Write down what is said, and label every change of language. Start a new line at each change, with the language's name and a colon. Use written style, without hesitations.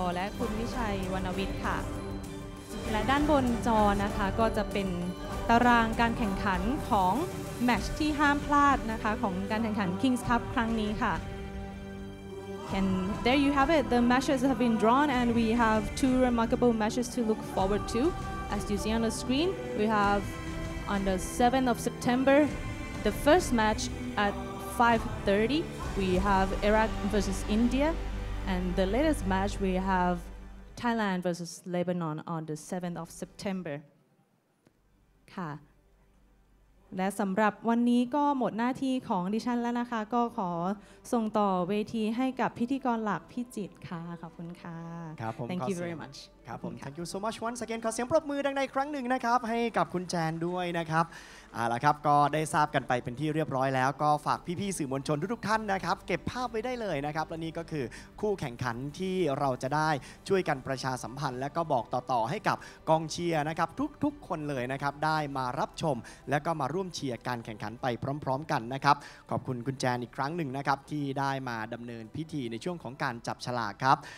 Thai: และคุณวิชัยวรรณวิทย์ค่ะและด้านบนจอนะคะก็จะเป็นตารางการแข่งขันของ แมตช์ที่ห้ามพลาดนะคะของการแข่งขัน Kings Cup ครั้งนี้ค่ะ
English: And there you have it. The matches have been drawn and we have two remarkable matches to look forward to. As you see on the screen, we have on the 7th of September, the first match at 5:30, we have Iraq versus India. And the latest match, we have Thailand versus Lebanon on the 7th of September.
Thai: ค่ะและสำหรับวันนี้ก็หมดหน้าที่ของดิฉันแล้วนะคะก็ขอส่งต่อเวทีให้กับพิธีกรหลักพี่จิตค่ะขอบคุณค่ะ ครับผม
English: Thank you very much
Thai: ครับผม
English: Thank you so much once again
Thai: ขอเสียงปรบมือดังในครั้งหนึ่งนะครับให้กับคุณแจนด้วยนะครับเอาล่ะครับก็ได้ทราบกันไปเป็นที่เรียบร้อยแล้วก็ฝากพี่ๆสื่อมวลชนทุกๆท่านนะครับเก็บภาพไว้ได้เลยนะครับและนี่ก็คือคู่แข่งขันที่เราจะได้ช่วยกันประชาสัมพันธ์และก็บอกต่อๆให้กับกองเชียร์นะครับทุกๆคนเลยนะครับได้มารับชมและก็มาร่วมเชียร์การแข่งขันไปพร้อมๆกันนะครับขอบคุณคุณแจนอีกครั้งหนึ่งนะครับที่ได้มาดำเนินพิธีในช่วงของการจับฉลากครับ